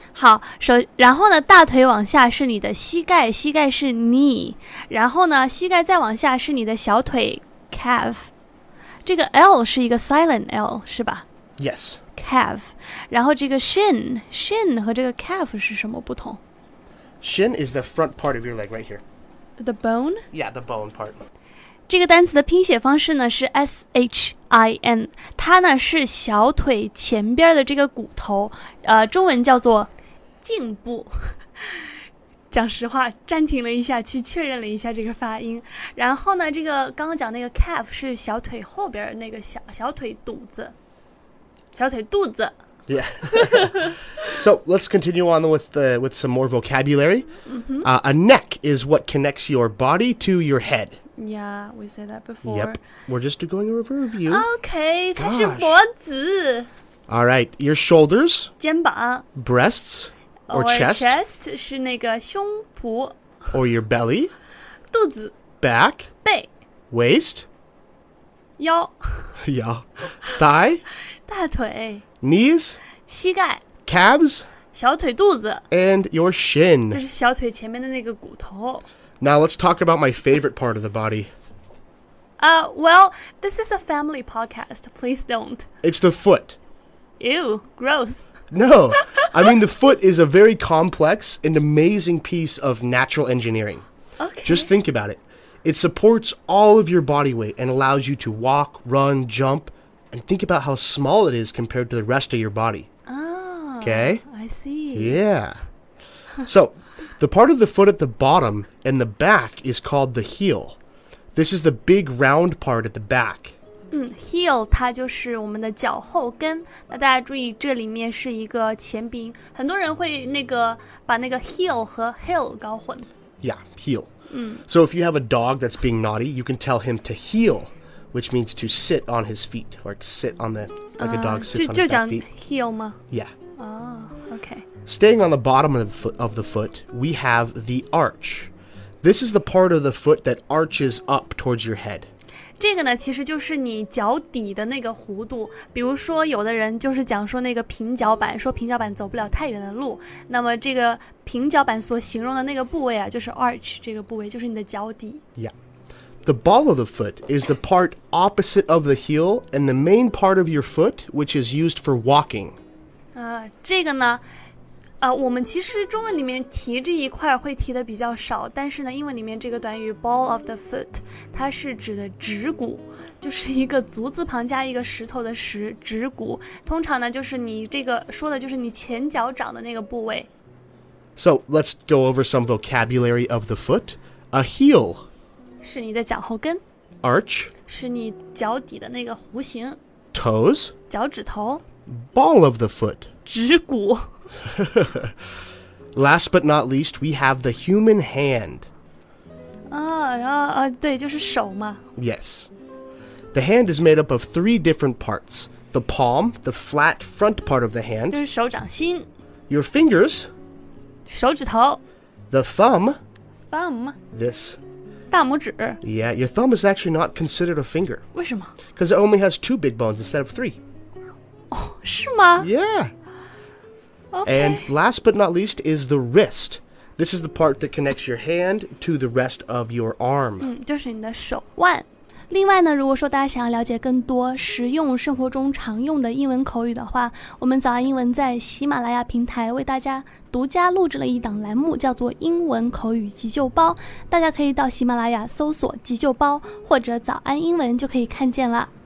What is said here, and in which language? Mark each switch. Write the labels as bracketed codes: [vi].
[zh] 好，然后呢，大腿往下是你的膝盖，膝盖是 knee， 然后呢，膝盖再往下是你的小腿 calf。这个 L 是一个 silent L, 是吧? [en] Yes. [zh] Calf. 然后这个 shin, shin 和这个 calf 是什么不同? [en] Shin is the front part of your leg right here. The bone? Yeah, the bone part. [zh] 这个单词的拼写方式呢是 S-H-I-N, 它呢是小腿前边的这个骨头,中文叫做胫部。讲实话暂停了一下去确认了一下这个发音。然后呢，这个刚刚讲那个 calf 是小腿后边那个小腿肚子。 [en] Yeah. So let's continue on with some more vocabulary. Mm-hmm. A neck is what connects your body to your head. Yeah, we said that before. Yep. We're just going over a review. [zh] Okay, 它是脖子。 [en] All right. Your shoulders. [zh] 肩膀。 [en] Breasts. Or chest. Or [zh] chest 是那个胸脯。 [en] Or your belly. [zh] 肚子。 [en] Back. [zh] 背。 [en] Waist. [zh] 腰。腰。Thigh. 大腿。 [en] Knees, [zh] 膝盖, [en] calves, [zh] 小腿肚子, [en] and your shin, [zh] 就是小腿前面的那个骨头。 [en] Now let's talk about my favorite part of the body. Well, this is a family podcast. Please don't. It's the foot. Ew, gross. No, I mean the foot is a very complex and amazing piece of natural engineering. Okay. Just think about it. It supports all of your body weight and allows you to walk, run, jump,And think about how small it is compared to the rest of your body. Oh, okay? I see. Yeah. So, the part of the foot at the bottom and the back is called the heel. This is the big round part at the back. [zh] Heel, 它就是我们的脚后跟。那大家注意，这里面是一个前鼻音。很多人会那个把那个 heel 和 heel 搞混。 [en] Yeah, heel. Mm. So if you have a dog that's being naughty, you can tell him to heel. Which means to sit on his feet, or sit on the, like a dog sits on his back feet. [zh] Heel 吗? [en] Yeah. Oh, okay. Staying on the bottom of the foot, we have the arch. This is the part of the foot that arches up towards your head. [zh] 这个呢，其实就是你脚底的那个弧度。比如说，有的人就是讲说那个平脚板，说平脚板走不了太远的路。那么这个平脚板所形容的那个部位啊，就是 arch 这个部位，就是你的脚底。 [en] Yeah. The ball of the foot is the part opposite of the heel and the main part of your foot, which is used for walking. [zh] 这个呢，我们其实中文里面提这一块会提的比较少，但是呢，英文里面这个短语 ball of the foot, 它是指的趾骨，就是一个足字旁加一个石头的石，趾骨。通常呢，就是你这个说的就是你前脚掌的那个部位。 [en] So, let's go over some vocabulary of the foot. A heel... [zh] 是你的脚后跟 [en] Arch [zh] 是你脚底的那个弧形 [en] Toes [zh] 脚趾头 [en] Ball of the foot [zh] 趾骨 [en] Last but not least, we have the human hand [zh] 对就是手嘛 [en] Yes The hand is made up of three different parts The palm, the flat front part of the hand [zh] 就是手掌心 [en] Your fingers [zh] 手指头 [en] The thumb Thumb This [zh] 大拇指 [en] Yeah, your thumb is actually not considered a finger. [zh] 为什么? [en] Because it only has two big bones instead of three. [zh] Oh, 是吗? [en] Yeah. Okay. And last but not least is the wrist. This is the part that connects your hand to the rest of your arm. [zh] 就是你的手腕。另外呢，如果说大家想要了解更多实用生活中常用的英文口语的话，我们早安英文在喜马拉雅平台为大家独家录制了一档栏目，叫做英文口语急救包，大家可以到喜马拉雅搜索急救包或者早安英文就可以看见了。